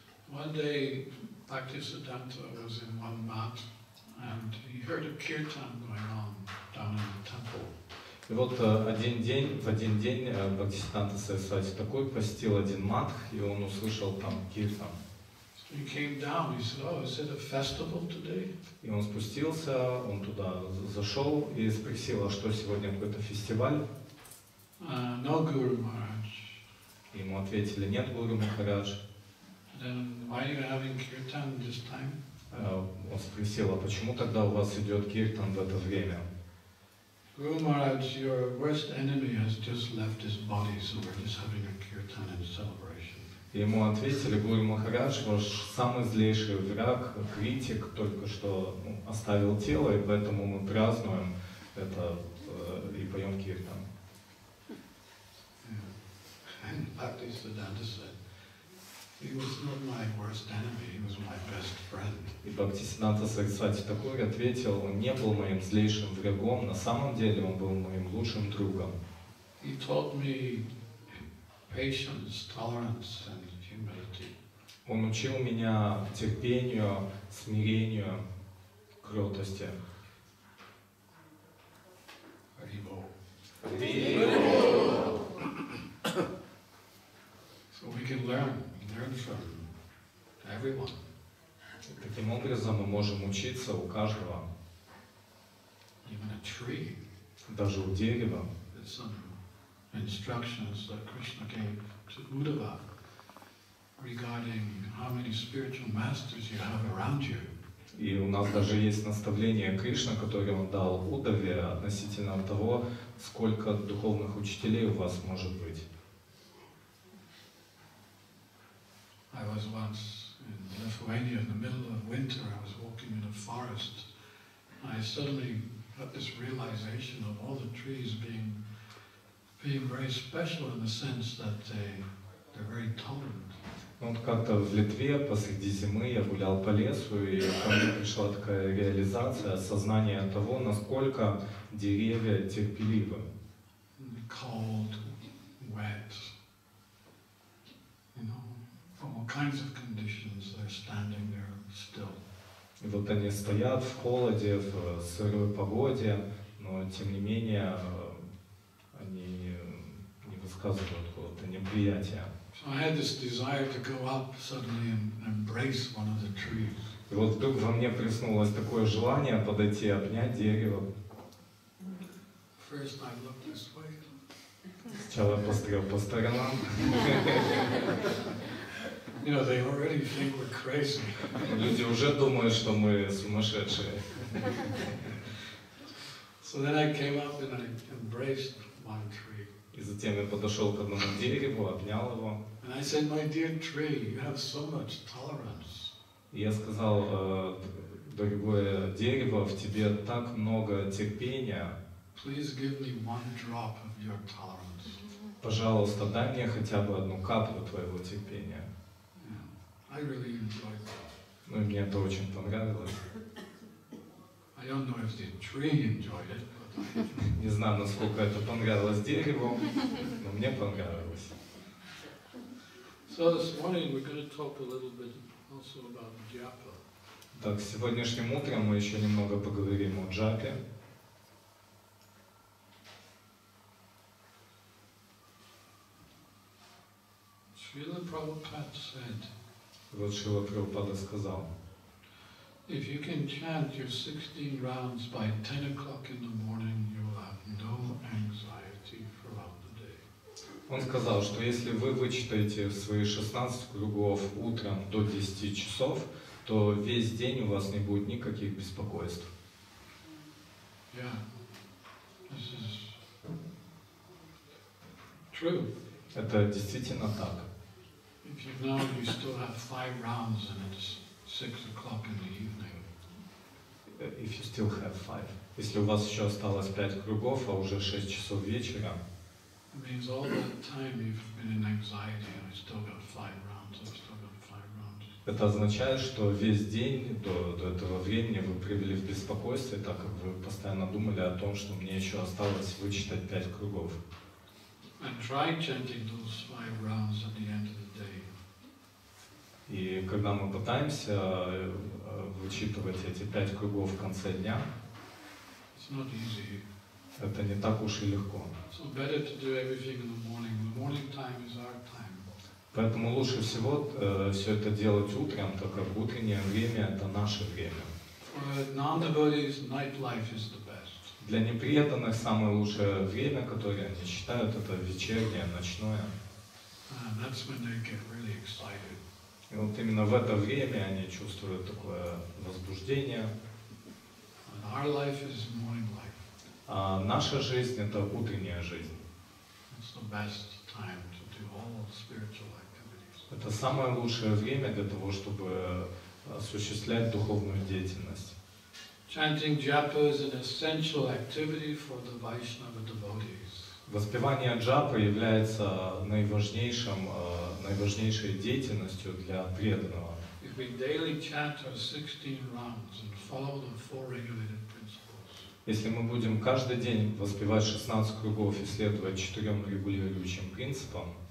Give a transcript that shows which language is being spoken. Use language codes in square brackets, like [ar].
[en] One day Bhaktisiddhanta was in one mat and he heard a kirtan going on down in the temple. [ru] И вот в один день Бхактисиддханта Сарасвати Такур посетил один мат, и он услышал там киртан. [en] He came down, he said, "Oh, is it a festival today?" [ru] И он спустился, он туда зашел и спросил, а что сегодня какой-то фестиваль? [en] No Guru Maharaj. [ru] И ему ответили, нет Гуру Махарадж. [en] Then why are you having kirtan this time? [ru] Он спросил, а почему тогда у вас идет киртан в это время? [en] Guru Maharaj, your worst enemy has just left his body, so we're just having a kirtan in celebration. [ru] Ему ответили, Гуру Махарадж, ваш самый злейший враг, критик, только что оставил тело, и поэтому мы празднуем это и поем киртан. [en] And Bhaktisiddhanta said, he was not my worst enemy, he was my best friend. [ru] И Бхактисиддханта Сарасвати Такур ответил, он не был моим злейшим врагом, на самом деле он был моим лучшим другом. [en] He taught me patience, tolerance and humility. [ru] Он учил меня терпению, смирению, кротости. [en] Hari Bol. Hari Bol. So we can learn. From everyone. [ru] Таким образом мы можем учиться у каждого. [en] Even a tree. [ru] Даже у дерева. [en] There's some instructions that Krishna gave to Uddhava regarding how many spiritual masters you have around you. [ru] И у нас даже есть наставление Кришны, которое он дал Уддхаве относительно того, сколько духовных учителей у вас может быть. [en] I was once in Lithuania in the middle of winter. I was walking in a forest. I suddenly got this realization of all the trees being very special in the sense that they're very tolerant. [ru] Вот как-то в Литве посреди зимы я гулял по лесу, и ко мне пришла такая реализация, осознание того, насколько деревья терпеливы. [en] Cold, wet. From all kinds of conditions, they're standing there still. [ru] И вот они стоят в холоде, в сырой погоде, но тем не менее они не высказывают какого-то неприятия. [en] So I had this desire to go up suddenly and embrace one of the trees. [ru] И вот вдруг во мне проснулось такое желание подойти и обнять дерево. [en] First I looked this way. [ru] Сначала я посмотрел по сторонам. [en] You know, they already think we're crazy. [ru] Люди уже думают, что мы сумасшедшие. [en] So then I came up and I embraced one tree. [ru] И затем я подошел к одному дереву, обнял его. [en] And I said, "My dear tree, you have so much tolerance." [ru] Я сказал, дорогое дерево, в тебе так много терпения. [en] Please give me one drop of your tolerance. [ru] Пожалуйста, дай мне хотя бы одну каплю твоего терпения. [en] I really enjoyed that. [ru] Ну, мне это очень понравилось. [en] I don't know if the tree enjoyed it, but I... [ru] Не знаю, насколько это понравилось дереву, но мне понравилось. [en] So this morning we're going to talk a little bit also about japa. [ru] Так, сегодняшним утром мы еще немного поговорим о джапе. [en] Srila Prabhupada said, [ru] вот Шрила Прабхупада сказал, [en] if you can chant your 16 rounds by 10 o'clock in the morning, you will have no anxiety throughout the day. [ru] Он сказал, что если вы вычитаете свои 16 кругов утром до 10 часов, то весь день у вас не будет никаких беспокойств. [en] Yeah, this is true. [ru] Это действительно так. [en] If you know you still have 5 rounds and it's 6 o'clock in the evening. If you still have 5. [ru] Если у вас еще осталось 5 кругов, а уже 6 часов вечера. [en] It means all that time you've been in anxiety and you've still got 5 rounds, I've still got 5 rounds. [ru] Это означает, что весь день до этого времени вы провели в беспокойстве, так как вы постоянно думали о том, что мне еще осталось вычитать 5 кругов. [en] And try chanting those 5 rounds at the end of the day. [ru] И когда мы пытаемся вычитывать эти 5 кругов в конце дня, [en] it's not easy. [ru] Это не так уж и легко. [en] So better to do everything in the morning. The morning time is our time. [ru] Поэтому лучше всего все это делать утром, так как утреннее время – это наше время. [en] For non-devotees, night life is the best. [ru] Для непреданных самое лучшее время, которое они считают, это вечернее, ночное. [en] That's when they get really excited. [ru] И вот именно в это время они чувствуют такое возбуждение. [en] Our life is morning life. [ru] А наша жизнь – это утренняя жизнь. [en] It's the best time to do all spiritual activities. [ru] Это самое лучшее время для того, чтобы осуществлять духовную деятельность. [en] Chanting japa is an essential activity for the Vaishnava devotees. [ru] Воспевание джапы является наиважнейшей деятельностью для преданного. [en] If we daily chant our 16 rounds and follow the four regulated principles. [ru] Если мы будем каждый день воспевать 16 кругов и следовать четырем регулирующим принципам,